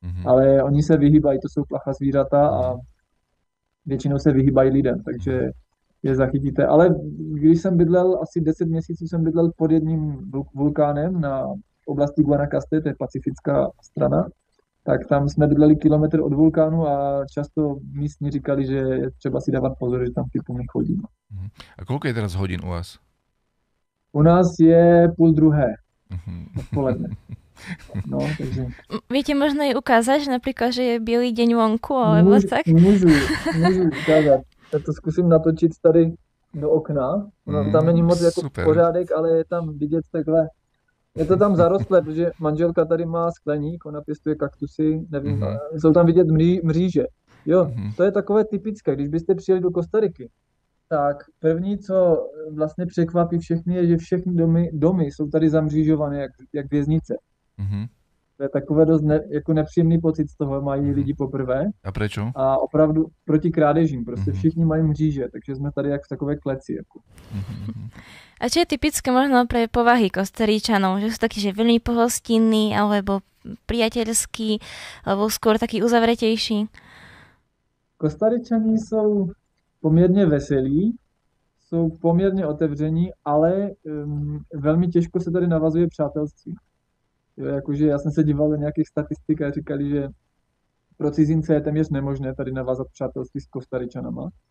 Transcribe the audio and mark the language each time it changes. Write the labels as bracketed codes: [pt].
[cs] Ale oni se vyhýbají, to jsou plachá zvířata a většinou se vyhýbají lidem. Takže je zachytíte. Ale když jsem bydlel, asi 10 měsíců jsem bydlel pod jedním vulkánem na oblasti Guanacaste, to je pacifická strana, tak tam jsme bydleli kilometr od vulkánu a často místní říkali, že je třeba si dávat pozor, že tam typu my chodíme. [sk] A koľko je teraz hodín u vás? [cs] U nás je 1:30 odpoledne. No, takže... [sk] Víte, možno jej ukázať, že napríklad, že je bielý deň vonku, alebo [cs] můžu, tak? [sk] Môžu ukázať. Ja to skúsim natočiť tady do okna. [cs] No, tam není moc jako pořádek, ale je tam vidieť takhle. Je to tam zarostlé, protože manželka tady má skleník, ona pěstuje kaktusy, nevím, sú tam vidieť mříže. Jo, to je takové typické, když byste přijeli do Kostariky, tak první, co vlastně překvapí všechny, je, že všechny domy jsou tady zamřížované jak věznice. To je takové dost jako nepříjemný pocit z toho, mají lidi poprvé. A proč? A opravdu proti krádežím, prostě všichni mají mříže, takže jsme tady jak v takové kleci. Jako. [sk] A čo je typické možno pre povahy Kostaríčanov, že sú takí, že veľmi pohostinní, alebo priateľskí, alebo skôr takí uzavretejší? Kostaričani sú... [cs] poměrně veselí, jsou poměrně otevření, ale velmi těžko se tady navazuje přátelství. Jo, jakože já jsem se díval do nějakých statistik a říkali, že pro cizince je téměř nemožné tady navázat přátelství s Kostaričanama.